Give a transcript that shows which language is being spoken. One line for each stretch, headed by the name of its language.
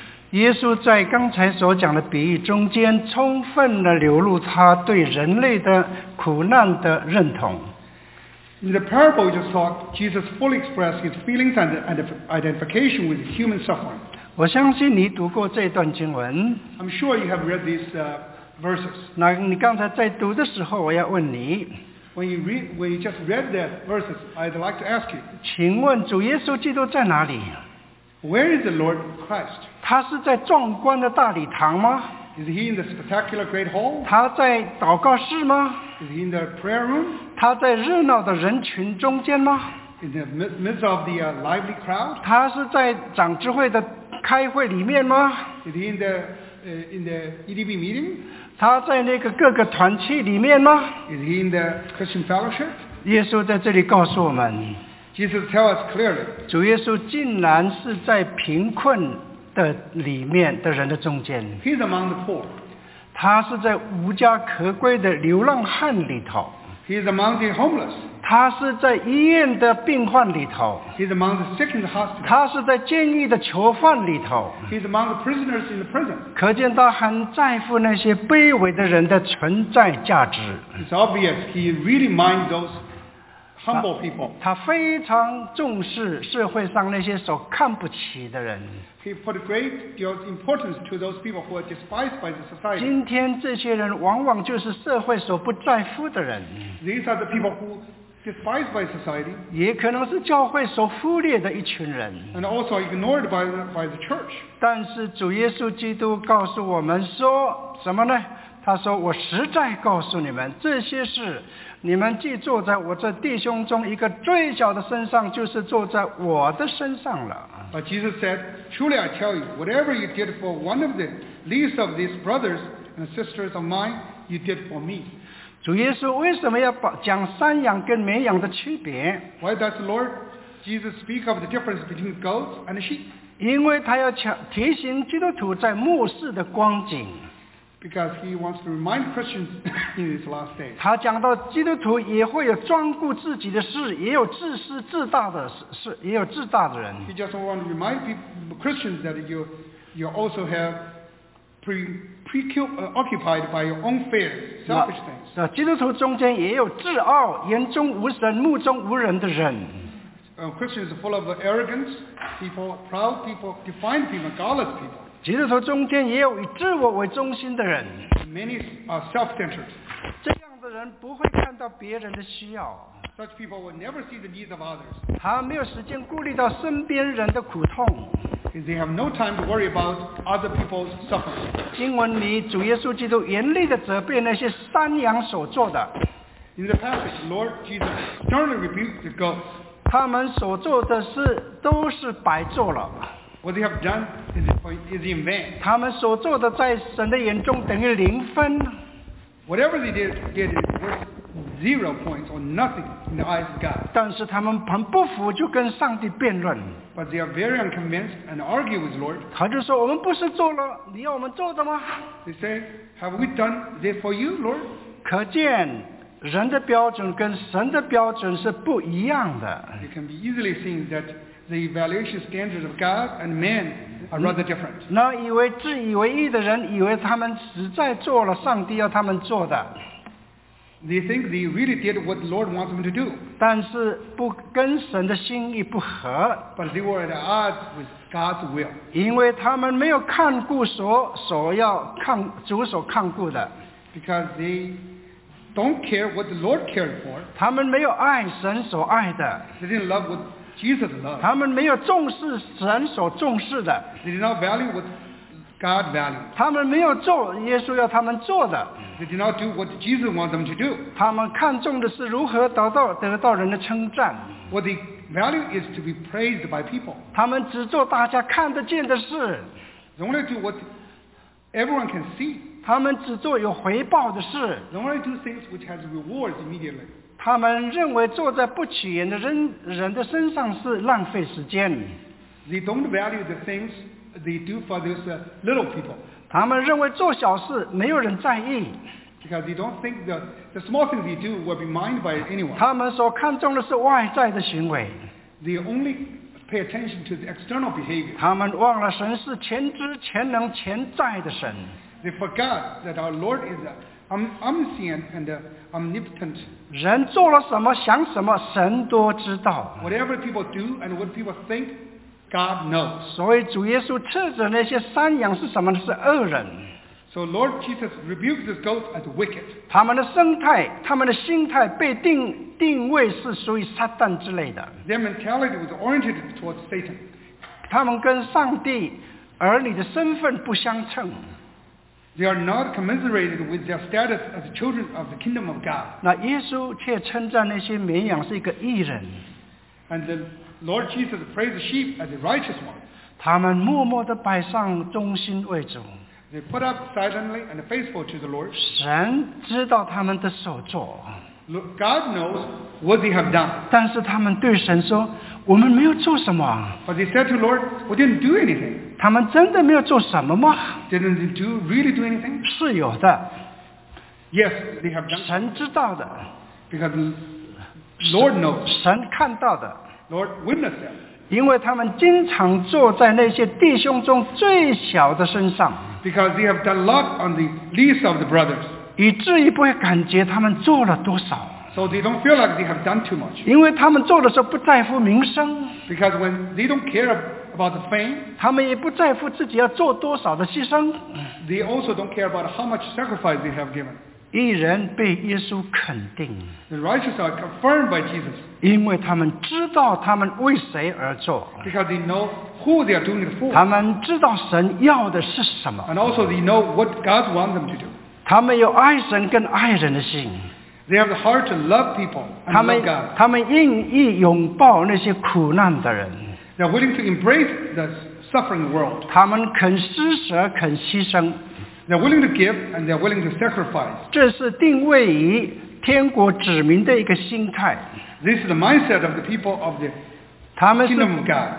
Chinese: 耶稣在刚才所讲的比喻中间，充分地流露他对人类的苦难的认同。
English: In the parable you just talked, Jesus fully expressed his feelings and identification with human suffering.
Chinese: 我相信你读过这段经文。
English: I'm sure you have read these verses.
Chinese: 那你刚才在读的时候，我要问你。
English: When you just read the verses, I'd like to ask you.
Chinese: 请问主耶稣基督在哪里
English: ？Where is the Lord Christ?
Chinese: 他是在壮观的大礼堂吗
English: ？Is he in the spectacular great hall?
Chinese: 他在祷告室吗
English: ？Is he in the prayer room?
Chinese: 他在热闹的人群中间吗
English: ？In the midst of the lively crowd?
Chinese: 他是在长智慧的。开会里面吗
English: ？Is he in the EDB meeting？
Chinese: 他在那个各个团契里面吗
English: ？Is he in the Christian fellowship？
Chinese: 耶稣在这里告诉我们
English: ，Jesus tell us clearly，
Chinese: 主耶稣竟然是在贫困的里面的人的中间。
English: He's among the poor。
Chinese: 他是在无家可归的流浪汉里头。
English: He's among the homeless。
Chinese: 他是在医院的病患里头
English: He's among the sick in the hospital.
Chinese: 他是在监狱的囚犯里头
English: He's among the prisoners in the prison.
Chinese: 可见他很在乎那些卑微的人的存在价值
English: It's obvious he really minds those humble people.
Chinese: 他非常重视社会上那些所看不起的人
English: He put a great deal of importance to those people who are despised by the society.
Chinese: 今天这些人往往就是社会所不在乎的人
English: These are the people who despised by society,
Chinese: 也可能是教会所忽略的一群人
English: and also ignored by the church.
Chinese: 但是主耶稣基督告诉我们说什么呢他说我实在告诉你们这些事你们既坐在我这弟兄中一个最小的身上就是坐在我的身上了
English: But Jesus said, truly I tell you, whatever you did for one of the least of these brothers and sisters of mine, you did for me.
Chinese: 主耶稣为什么要讲山羊跟绵羊的区别
English: ？Why does the Lord Jesus speak of the difference between goats and sheep？
Chinese: 因为他要提醒基督徒在末世的光景。
English: Because he wants to remind Christians in his last days。
Chinese: 他讲到基督徒也会有专顾自己的事，也有自私自大的事，也有自大的人。
English: He just wants to remind people, Christians that you also have preoccupied by your own fears, selfish things.
Chinese: 那基督徒中间也有自傲、眼中无神、目中无人的人。
English: Christians are full of arrogance, people, proud people, defiant people, godless people.
Chinese: 基督徒中间也有以自我为中心的人。
English: Many are self-centered.
Chinese: 这样的人不会看到别人的需要。
English: Such people will never see the needs of others.
Chinese: 他没有时间顾虑到身边人的苦痛。
English: They have no time to worry about other people's suffering.
Chinese: 经文里主耶稣基督严厉地责备那些山羊所做的。
English: In the passage, Lord Jesus sternly rebuked the goats.
Chinese: 他们所做的事都是白做了。
English: What they have done is in vain.
Chinese: 他们所做的在神的眼中等于零分。
English: Whatever they did is worth zero points or nothing in the eyes of God.
Chinese: 但是他们很不服，就跟上帝辩论。
English: But they are very unconvinced and argue with the Lord.
Chinese: 他就说，我们不是做了你要我们做的吗？
English: They say, have we done this for you, Lord?
Chinese: 可见人的标准跟神的标准是不一样的。
English: It can be easily seen that the evaluation standards of God and man are rather different.
Chinese: 那以为自以为意的人以为他们实在做了上帝要他们做的。
English: They think they really did what the Lord wants them to do.
Chinese: 但是不跟神的心意不合。
English: But they were at odds with God's will.
Chinese: 因为他们没有看顾所要看主所看顾的。
English: Because they don't care what the Lord cared for.
Chinese: 他们没有爱神所爱的。
English: They didn't love what Jesus loved.
Chinese: 他们没有重视神所重视的。
English: They did not value what God valued.
Chinese: 他们没有做耶稣要他们做的。
English: They did not do what Jesus wanted them to do.
Chinese: 他们看重的是如何得到人的称赞。
English: What the value is to be praised by people.
Chinese: 他们只做大家看得见的事。
English: They only do what everyone can see.
Chinese: 他们只做有回报的事。
English: They only do things which has rewards immediately.
Chinese: 他们认为坐在不起眼的人的身上是浪费时间。
English: They don't value the things they do for those little people.
Chinese: 他们认为做小事没有人在意。
English: Because they don't think the small things they do will be minded by anyone.
Chinese: 他们所看重的是外在的行为。
English: They only pay attention to the external behavior.
Chinese: 他们忘了神是全知、全能、全在的神。
English: They forgot that our Lord is omniscient and omnipotent.
Chinese: 人做了什么、想什么，神都知道。
English: Whatever people do and what people think,God knows.
Chinese: 所以主耶稣斥责那些山羊是什么呢？是恶人。
English: So Lord Jesus rebuked the goats as wicked.
Chinese: 他们的生态、他们的心态被定位是属于撒旦之类的。
English: Their mentality was oriented towards Satan.
Chinese: 他们跟上帝儿女的身份不相称。
English: They are not commensurated with their status as children of the kingdom of God.
Chinese: 那耶稣却称赞那些绵羊是一个义人。
English: And the Lord Jesus praised the sheep as a righteous one.
Chinese: 他们默默地摆上忠心为主。
English: They put up silently and faithful to the Lord.
Chinese: 神知道他们的所作。
English: God knows what they have done.
Chinese: 但是他们对神说，我们没有做什么。
English: But they said to the Lord, we didn't do anything.
Chinese: 他们真的没有做什么吗？
English: Didn't they really do anything?
Chinese: 是有的。
English: Yes, they have done.
Chinese: 神知道的。
English: Because Lord knows.
Chinese: 神看到的。
English: Lord witness them.
Chinese: 因为他们经常坐在那些弟兄中最小的身上。
English: Because they have done a lot on the least of the brothers.
Chinese: 以至于不会感觉他们做了多少。
English: So they don't feel like they have done too much.
Chinese: 因为他们做的时候不在乎名声。
English: Because when they don't care about the fame.
Chinese: 他们也不在乎自己要做多少的牺牲。
English: They also don't care about how much sacrifice they have given.
Chinese: 义人被耶稣肯定。
English: The righteous are confirmed by Jesus.
Chinese: 因为他们知道他们为谁而做。
English: Because they know who they are doing it for.
Chinese: 他们知道神要的是什么。
English: And also they know what God wants them to do.
Chinese: 他们有爱神跟爱人的心。
English: They have the heart to love people and love God.
Chinese: 他们愿意拥抱那些苦难的人。
English: They are willing to embrace the suffering world.
Chinese: 他们肯施舍，肯牺牲。
English: They're willing to give and they're willing to sacrifice.
Chinese: 这是定位于天国子民的一个心态。
English: This is the mindset of the people of the kingdom of God.